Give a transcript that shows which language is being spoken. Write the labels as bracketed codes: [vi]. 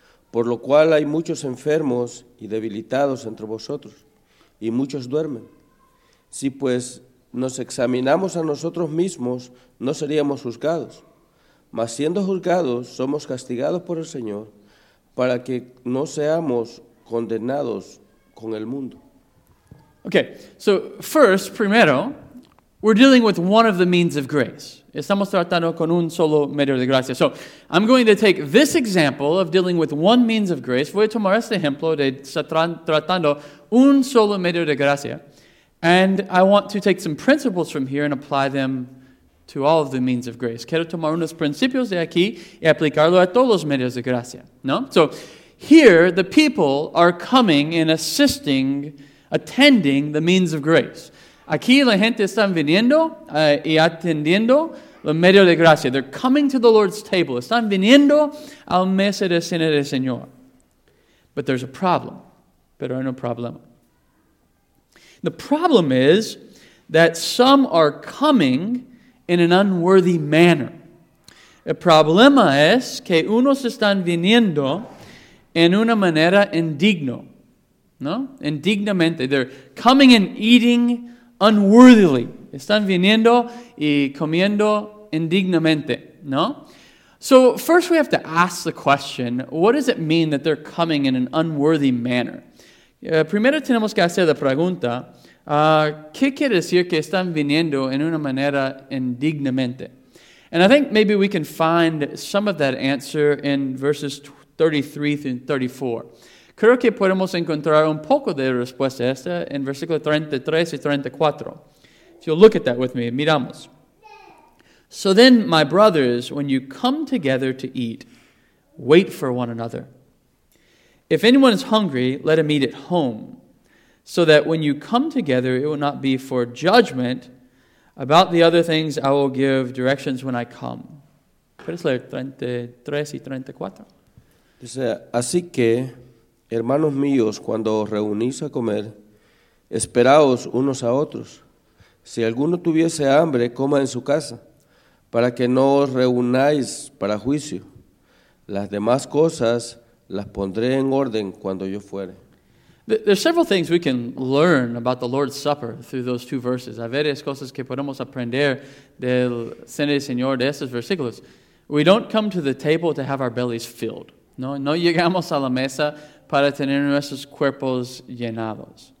[es] Por lo cual hay muchos enfermos y debilitados entre vosotros, y muchos duermen. Si pues nos examinamos a nosotros mismos, no seríamos juzgados. Mas siendo juzgados, somos castigados por el Señor, para que no seamos condenados con el mundo. [en] Okay, so first, primero, we're dealing with one of the means of grace. [es] Estamos tratando con un solo medio de gracia. [en] So, I'm going to take this example of dealing with one means of grace. [es] Voy a tomar este ejemplo de tratando un solo medio de gracia. [en] And I want to take some principles from here and apply them to all of the means of grace. [es] Quiero tomar unos principios de aquí y aplicarlo a todos los medios de gracia. No? [en] So, here, the people are coming and assisting attending the means of grace. [es] Aquí la gente están viniendo y atendiendo los medios de gracia. [en] They're coming to the Lord's table. [es] Están viniendo al mesa de cena del Señor. [en] But there's a problem. [es] Pero hay un problema. [en] The problem is that some are coming in an unworthy manner. [es] El problema es que unos están viniendo en una manera indigno, ¿no? Indignamente. [en] They're coming and eating unworthily. [es] Están viniendo y comiendo indignamente, ¿no? [en] So first we have to ask the question, what does it mean that they're coming in an unworthy manner? [es] Primero tenemos que hacer la pregunta, ¿qué quiere decir que están viniendo en una manera indignamente? [en] And I think maybe we can find some of that answer in verses 33 through 34. [es] Creo que podemos encontrar un poco de respuesta esta en versículo 33 y 34. [en] If you'll look at that with me, miramos. So then, my brothers, when you come together to eat, wait for one another. If anyone is hungry, let him eat at home, so that when you come together, it will not be for judgment. About the other things, I will give directions when I come. [es] ¿Puedes leer 33 y 34? Dice, así que, hermanos míos, cuando os reunís a comer, esperaos unos a otros. Si alguno tuviese hambre, coma en su casa, para que no os reunáis para juicio. Las demás cosas las pondré en orden cuando yo fuere. [en] There are several things we can learn about the Lord's Supper through those two verses. [es] Hay varias cosas que podemos aprender del Cena del Señor de estos versículos. [en] We don't come to the table to have our bellies filled. [es] No, no llegamos a la mesa para tener nuestros cuerpos llenados.